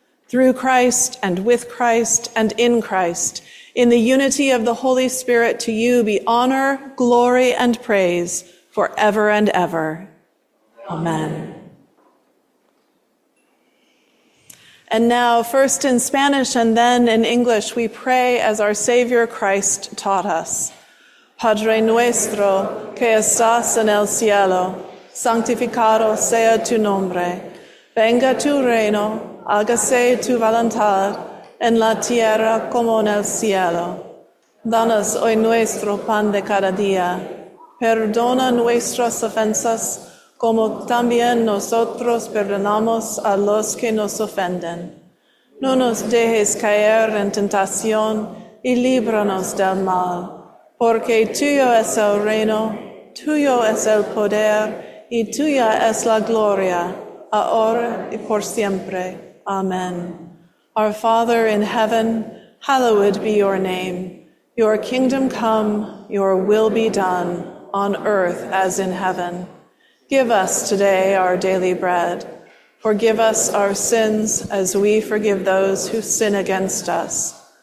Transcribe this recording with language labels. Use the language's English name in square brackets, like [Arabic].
[English] Through Christ and with Christ and in Christ, in the unity of the Holy Spirit, to you be honor, glory, and praise forever and ever. Amen. And now, first in Spanish and then in English, we pray as our Savior Christ taught us. [Spanish] Padre nuestro, que estás en el cielo, santificado sea tu nombre. Venga tu reino, hágase tu voluntad, en la tierra como en el cielo. Danos hoy nuestro pan de cada día. Perdona nuestras ofensas, como también nosotros perdonamos a los que nos ofenden. No nos dejes caer en tentación, y líbranos del mal. Porque tuyo es el reino, tuyo es el poder, y tuya es la gloria, ahora y por siempre. [English] Amen. Our Father in heaven, hallowed be your name. Your kingdom come, your will be done, on earth as in heaven. Give us today our daily bread. Forgive us our sins as we forgive those who sin against us.